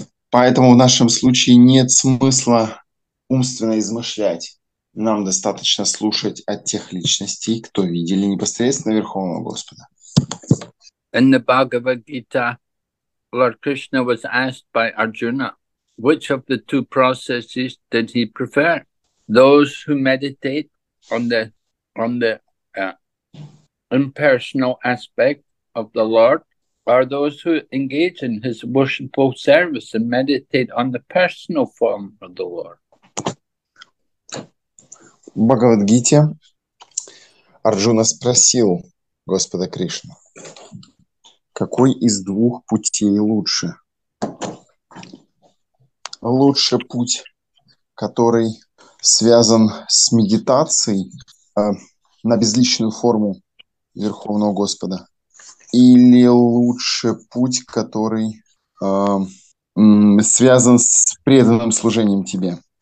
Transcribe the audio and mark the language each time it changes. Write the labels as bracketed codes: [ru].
[ru] Поэтому в нашем случае нет смысла умственно измышлять. Нам достаточно слушать от тех личностей, кто видели непосредственно Верховного Господа. [en] In the Bhagavad Gita, Lord Krishna was asked by Arjuna, which of the two processes did he prefer? Those who meditate on the impersonal aspect of the Lord, or those who engage in his worshipful service and meditate on the personal form of the Lord? [ru] В Бхагавад-гите Арджуна спросил Господа Кришну, какой из двух путей лучше? Лучше путь, который связан с медитацией на безличную форму Верховного Господа, или лучше путь, который связан с преданным служением тебе?